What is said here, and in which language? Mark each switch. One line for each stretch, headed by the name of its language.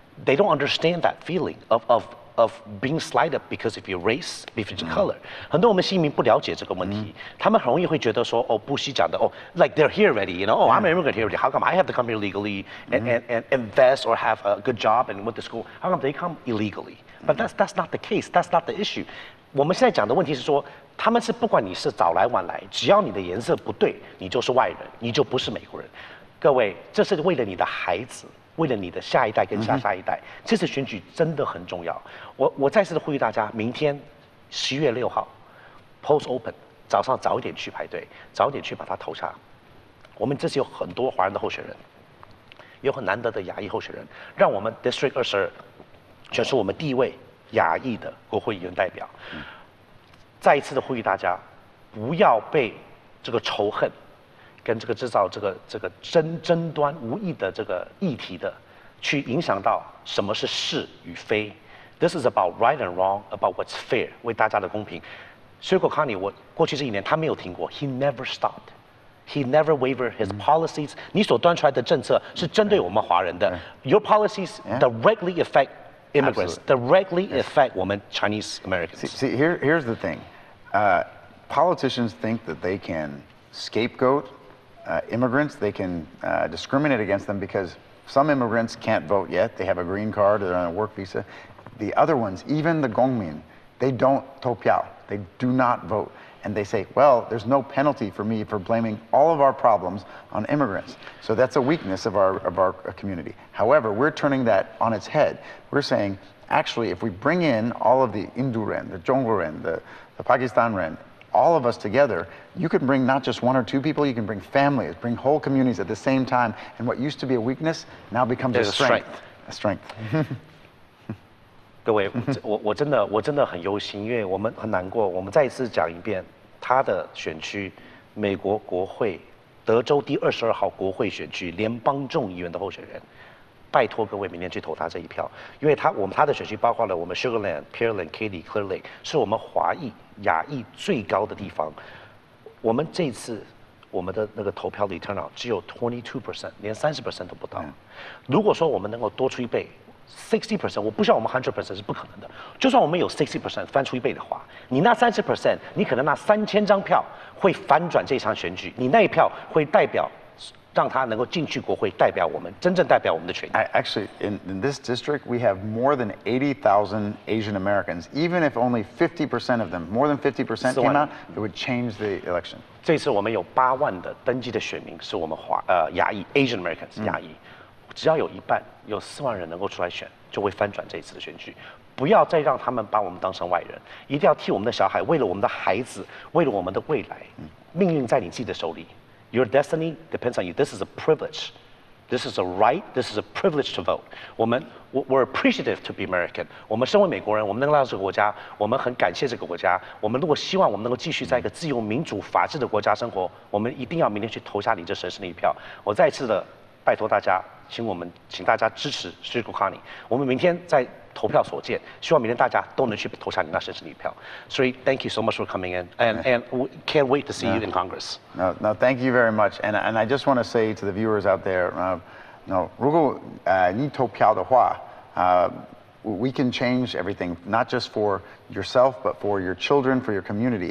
English: they don't understand that feeling of being slighted because of your race, because of your color.
Chinese: 很多我们新移民不了解这个问题，他们很容易会觉得说，哦，不惜讲的，哦，
English: like they're here already, you know, oh, I'm an immigrant here already. How come I have to come here legally and invest or have a good job and went to school? How come they come illegally? But that's not the case. That's not the issue.
Chinese: 我们现在讲的问题是说，他们是不管你是早来晚来，只要你的颜色不对，你就是外人，你就不是美国人。各位，这是为了你的孩子。为了你的下一代跟下下一代，这次选举真的很重要。我再次的呼吁大家，明天11月6号 ，polls open， 早上早一点去排队，早一点去把它投下。我们这次有很多华人的候选人，有很难得的亚裔候选人，让我们 District 22选出我们第一位亚裔的国会议员代表。再一次的呼吁大家，不要被这个仇恨。跟这个制造这个争端无意的这个议题的，去影响到什么是是与非。
English: This is about right and wrong, about what's fair,
Chinese: 为大家的公平。所以Kulkarni，我过去这一年他没有停过 ，
English: He never stopped, he never wavered his policies。
Chinese: 你所端出来的政策是针对我们华人的。
English: Your policies directly affect immigrants, directly affect 我们Chinese Americans. See, here's the thing, politicians think that they can scapegoat. Immigrants, they can discriminate against them because some immigrants can't vote yet. They have a green card or a work visa. The other ones, even the Gongmin, they don't 投票. They do not vote. And they say, well, there's no penalty for me for blaming all of our problems on immigrants. So that's a weakness of our community. However, we're turning that on its head. We're saying, actually, if we bring in all of the Induren, the Zhongguren, the Pakistanren,all of us together, you can bring not just one or two people, you can bring families, bring whole communities at the same time, and what used to be a weakness now becomes a strength.
Chinese: 各位，我真的很忧心，因为我们很难过。我们再一次讲一遍，他的选区，美国国会，德州第22号国会选区，联邦众议员的候选人，拜托各位明天去投他这一票，因为他的选区包括了我们 Sugarland, Pearland, Katy, Clear Lake, 是我们华裔。亚裔最高的地方，我们这次我们的那个投票的 turnout 只有 22%， 连30%都不到。如果说我们能够多出一倍 ，60%， 我不像我们 100% 是不可能的。就算我们有 60% 翻出一倍的话，你那 30%， 你可能那3000张票会反转这场选举，你那一票会代表让他能够进去国会，代表我们真正代表我们的权益。
English: Actually, in this district, we have more than 80,000 Asian Americans. Even if only 50% of them, more than 50% came out, it would change the election.
Chinese: 这次我们有80,000的登记的选民是我们华亚裔 Asian Americans 亚裔，只要有一半，有40,000人能够出来选，就会翻转这一次的选举。不要再让他们把我们当成外人，一定要替我们的小孩，为了我们的孩子，为了我们的未来，命运在你自己的手里。
English: Your destiny depends on you. This is a privilege. This is a right. This is a privilege to vote. We're appreciative to be American.
Chinese: 我们身为美国人，我们能来到这个国家，我们很感谢这个国家。我们如果希望我们能够继续在一个自由、民主、法治的国家生活，我们一定要明天去投下你这神圣的一票。我再次的拜托大家，请大家支持 Kulkarni。我们明天在投票所见，希望明天大家都能去投下你那神圣的一票。
English: 所以 thank you so much for coming in, and we can't wait to see you in Congress. No, thank you very much. And I just want to say to the viewers out there,
Chinese: 如果你投票的话，
English: we can change everything, not just for yourself, but for your children, for your community.